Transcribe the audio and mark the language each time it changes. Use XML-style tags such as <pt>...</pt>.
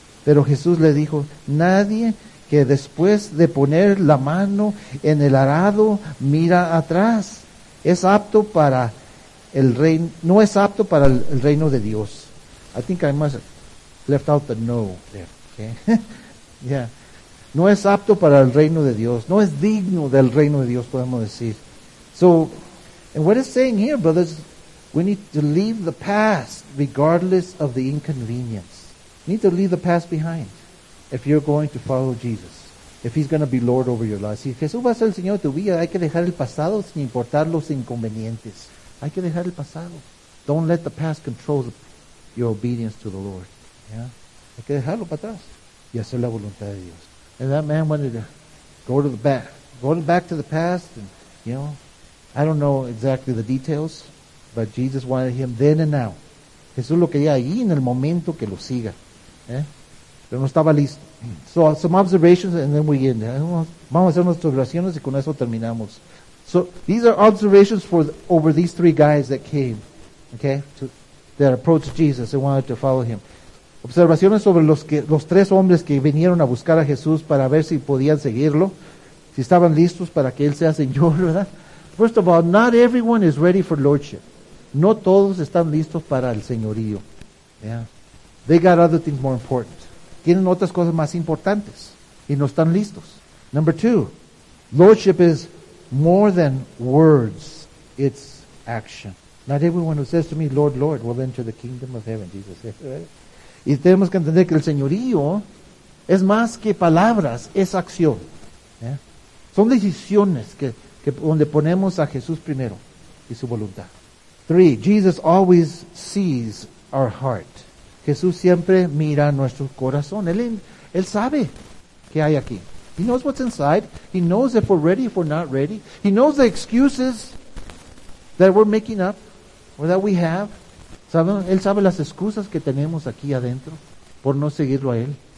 <es>Pero Jesús le dijo, nadie que después de poner la mano en el arado mira atrás no es apto para el reino de Dios.</es> <en>I think I must have left out the no there. Okay? Yeah.</en> <es>No es apto para el reino de Dios. No es digno del reino de Dios, podemos decir.</es> <en>So, and what it's saying here, brothers, we need to leave the past regardless of the inconvenience. We need to leave the past behind if you're going to follow Jesus. If He's going to be Lord over your life.</en> <es>Si Jesús va a ser el Señor de tu vida, hay que dejar el pasado sin importar los inconvenientes. Hay que dejar el pasado.</es> <en>Don't let the past control your obedience to the Lord. Yeah.</en> <es>Hay que dejarlo para atrás. Y hacer la voluntad de Dios.</es> <en>And that man wanted to go back to the past, and you know, I don't know exactly the details, but Jesus wanted him then and now.</en> <es>Jesús lo quería ahí en el momento que lo siga. ¿Eh? Pero no estaba listo.</es> <en>So some observations, and then we end.</en> <es>Vamos a hacer unas observaciones y con eso terminamos.</es> <en>So these are observations over these three guys that came, okay, that approached Jesus and wanted to follow him.</en> <es>Observaciones sobre los tres hombres que vinieron a buscar a Jesús para ver si podían seguirlo, si estaban listos para que Él sea Señor, ¿verdad?</es> <en>First of all, not everyone is ready for Lordship.</en> <es>No todos están listos para el Señorío. Yeah.</es> <en>They got other things more important.</en> <es>Tienen otras cosas más importantes y no están listos.</es> <en>Number two, Lordship is more than words, it's action. Not everyone who says to me, Lord, Lord, will enter the kingdom of heaven, Jesus said.</en> <es>Y tenemos que entender que el Señorío es más que palabras, es acción. ¿Eh? Son decisiones que donde ponemos a Jesús primero y su voluntad. 3.</es> <en>Jesus always sees our heart.</en> <es>Jesús siempre mira nuestro corazón. Él sabe qué hay aquí.</es> <en>He knows what's inside. He knows if we're ready, if we're not ready. He knows the excuses that we're making up or that we have.</en> <es>¿Sabe? Él sabe las excusas que tenemos aquí adentro por no seguirlo a Él.</es>